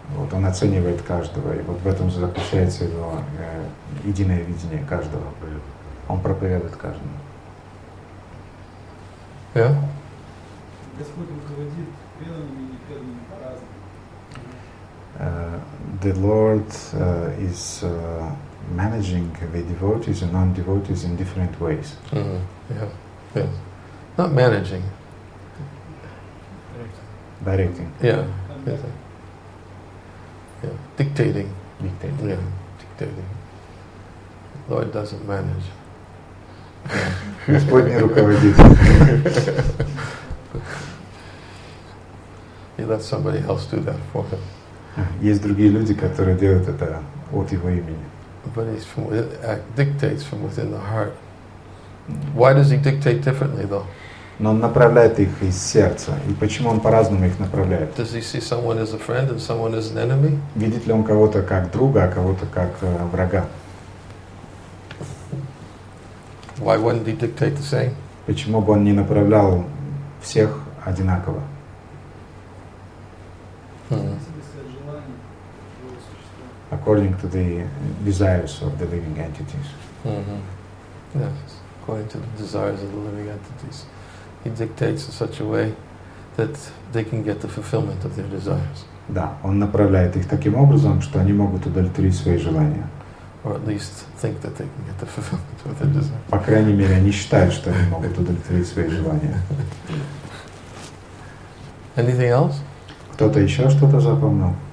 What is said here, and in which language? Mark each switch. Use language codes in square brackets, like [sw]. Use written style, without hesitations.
[ru] Вот он оценивает каждого, и вот в этом заключается его единое видение каждого. Он проповедует каждому. Да? Господь руководит преданными и непреданными по-разному. [en] The Lord is managing the devotees and non-devotees in different ways. Yeah. Not managing. Directing. Yeah. Dictating. Dictating. Yeah. Dictating. The Lord doesn't manage. [ru] Господь не руководит. [en] He lets somebody else do that for him. [ru] Есть другие люди, которые делают это от его имени. [en] But he's from, dictates from within the heart. Why does he dictate differently, though? [ru] Но он направляет их из сердца. И почему он по-разному их направляет? [en] Does he see someone as a friend and someone as an enemy? [ru] Видит ли он кого-то как друга, а кого-то как врага? [en] Why wouldn't he dictate the same? [ru] Почему бы он не направлял всех одинаково? [en] According to the desires of the living entities. Mm-hmm. Yes, according to the desires of the living entities. He dictates in such a way that they can get the fulfillment of their desires. [ru] Да, он направляет их таким образом, что они могут удовлетворить свои желания. [en] Or at least think that they can get the fulfillment of their desires. [ru] По крайней мере, они считают, что они могут удовлетворить свои желания. [en] Anything else? [ru] Кто-то еще что-то запомнил?